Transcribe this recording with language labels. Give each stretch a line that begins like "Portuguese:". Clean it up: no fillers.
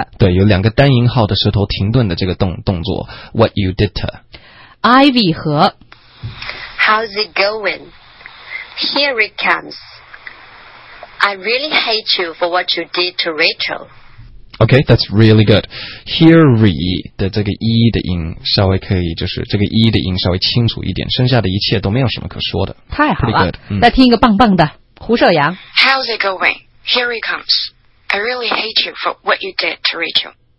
Chinese: 对有两个单音号的舌头停顿的这个动作 what you did, Ivy 和
English: How's it going? Here it comes. I really hate you for what you did to Rachel. Okay, that's really good.
Chinese: Here re 的这个 e 的音稍微可以就是这个 e 的音稍微清楚一点剩下的一切都没有什么可说的。太好了
English: good,、
Chinese: 再听一个棒棒的胡绍阳。
English: How's it going? Here he comes. I really hate you for what you did to Rachel.